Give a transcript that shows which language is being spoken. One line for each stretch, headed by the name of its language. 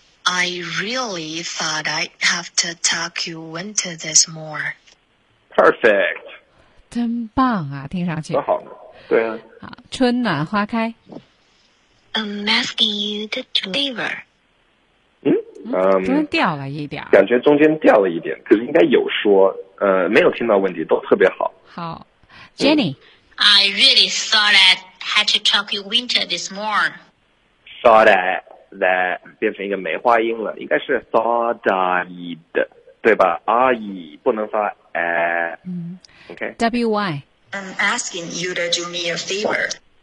English: I really thought I'd have to talk you into this more. Perfect.
Chinese: 真棒啊，听上去。多好呢，对啊。好，春暖花开。
English: I'm asking you to do me a favor. 嗯，
Chinese: 中间掉了一点。感觉中间掉了一点，可是应该有说，没有听到问题，都特别好。好 ，Jenny、嗯。
English: I really thought I'd have to talk you into this more. Thought I.
Chinese: that 变成一个梅花音了，应该是
English: thought I
Chinese: 的，对吧？阿姨不能发哎。
English: Okay. W Y. I'm asking you to do me a favor。